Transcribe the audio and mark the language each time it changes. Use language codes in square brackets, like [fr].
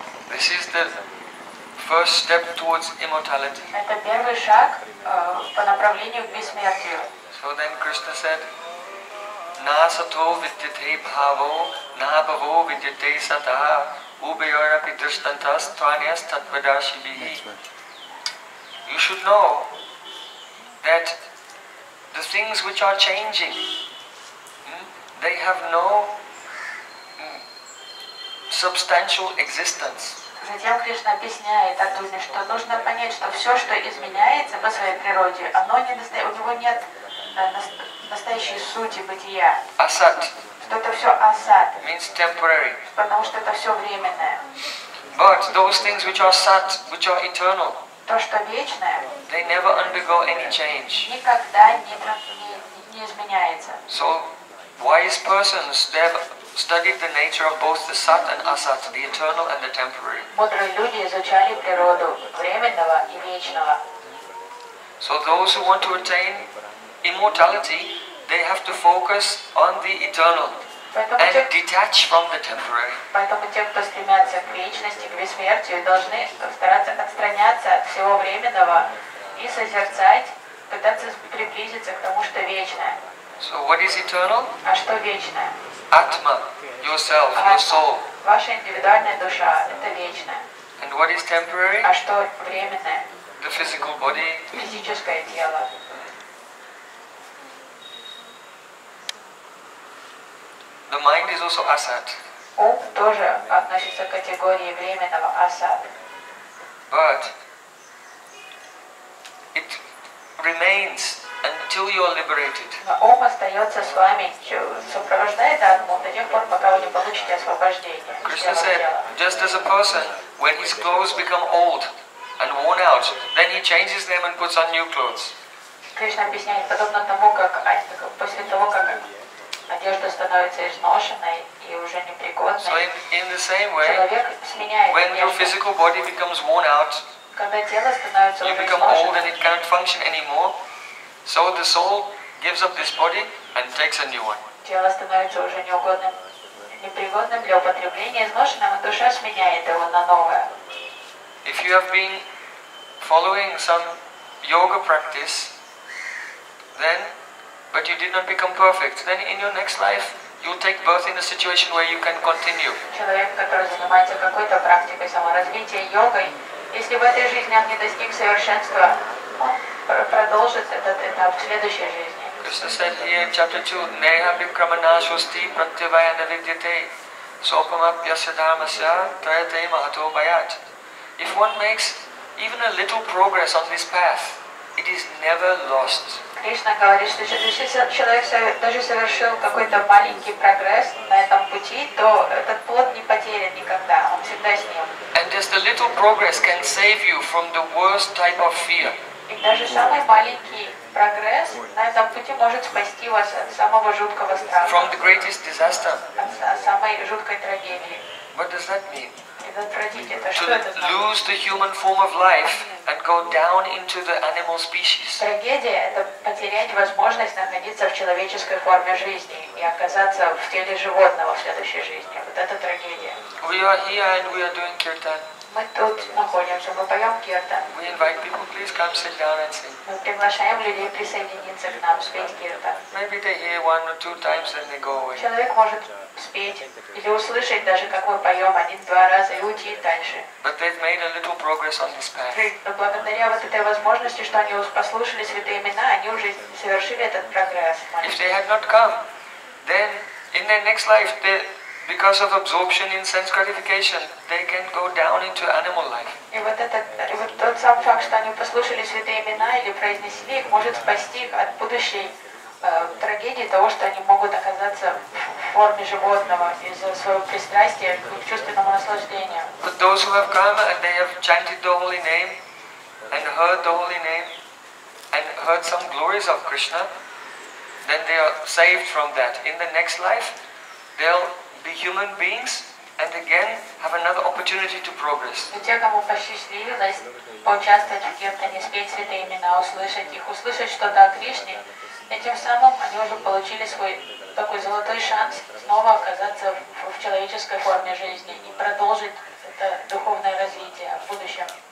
[en] This is the first step towards immortality. [ru] Это первый шаг по направлению к бессмертию. [en] So then Krishna said, [sa] Na sato vidyate bhavo, na bhavo vidyate sataha, ubayorapi drishtantas tvanyas tatvadashibihi. [en] You should know that the things which are changing, they have no substantial existence. [ru] Затем Кришна объясняет Арджуне, что нужно понять, что все, что изменяется по своей природе, оно не достает, у него нет настоящей сути бытия. Асад. Что это все асад. [en] Means temporary. [ru] Потому что это все временное. [en] But those things which are sat, which are eternal, [ru] то, что вечное, [en] they never undergo any change. [ru] Никогда не изменяется. [en] So wise persons, they've studied the nature of both the sat and asat, the eternal and the temporary. [ru] Мудрые люди изучали природу временного и вечного. [en] So those who want to attain immortality, they have to focus on the eternal and detach from the temporary. [ru] Поэтому те, кто стремятся к вечности, к бессмертию, должны стараться отстраняться от всего временного и созерцать, пытаться приблизиться к тому, что вечное. [en] So what is eternal? [ru] А что вечное? [en] Atma, yourself, your soul. [ru] Ваша индивидуальная душа – это вечное. [en] And what is temporary? [ru] А что временное? [en] The physical body. [ru] Физическое тело. [en] The mind is also asat. [ru] Ум тоже относится к категории временного асад. [en] But it remains until you are liberated. [ru] Но ум остается с вами, сопровождает атму до тех пор, пока вы не получите освобождение. [en] Krishna said, just as a person, when his clothes become old and worn out, then he changes them and puts on new clothes. [ru] Кришна объясняет, подобно тому, как после того, как одежда становится изношенной и уже непригодной. [en] So in the same way, when your physical body becomes worn out, [ru] когда тело становится, [en] you become old and it cannot function anymore, so the soul gives up this body and takes a new one. [ru] Тело становится уже непригодным для употребления, изношенным, и душа сменяет его на новое. [en] If you have been following some yoga practice, then, but you did not become perfect, then in your next life, you will take birth in a situation where you can continue. [ru] Человек, который занимается какой-то практикой саморазвития, йогой, если в этой жизни он не достиг совершенства, он продолжит этот этап в следующей жизни. [en] Krsna said here in chapter 2, [sa] Neha Vikramana Shusti Pratyavaya Navidyate Sopamapyasya Dharmasya Trayate Mahato Bayat. [en] If one makes even a little progress on this path, it is never lost. [ru] Krishna говорит, что если человек даже совершил какой-то маленький прогресс на этом пути, то этот плод не потерян никогда, он всегда с ним. [en] And just a little progress can save you from the worst type of fear. [ru] И даже самый маленький прогресс на этом пути может спасти вас от самого жуткого страха. [en] From the greatest disaster. [ru] От самой жуткой трагедии. [en] What does that mean? To lose the human form of life and go down into the animal species. [ru] Трагедия – это потерять возможность находиться в человеческой форме жизни и оказаться в теле животного в следующей жизни. Вот это трагедия. [en] We are here and we are doing kirtan. [ru] Мы тут находимся, мы поем кирта. [en] We invite people, please come sit down and sing. [ru] Мы приглашаем людей присоединиться к нам, спеть кирта. [en] Maybe they hear one or two times and they go away. [ru] Человек может спеть или услышать даже, как мы поем один-два раза и уйти дальше. [en] But they've made a little progress on this path. [ru] Но благодаря вот этой возможности, что они послушали святые имена, они уже совершили этот прогресс. [en] If they had not come, then in their next life, they... Because of absorption in sense gratification, they can go down into animal life. [ru] И вот этот, вот тот сам факт, что они послушали святые имена или произнесли их, может спасти их от будущей трагедии того, что они могут оказаться в форме животного из-за своего пристрастия к чувственному наслаждению. [en] But those who have come and they have chanted the holy name and heard the holy name and heard some glories of Krishna, then they are saved from that. In the next life, they'll be human beings and again have another opportunity to progress. [ru] Те, кому посчастливилось поучаствовать в киртане, спеть святые имена, услышать их, услышать что-то о Кришне, этим самым они уже получили свой такой золотой шанс снова оказаться в человеческой форме жизни и продолжить это духовное развитие в будущем.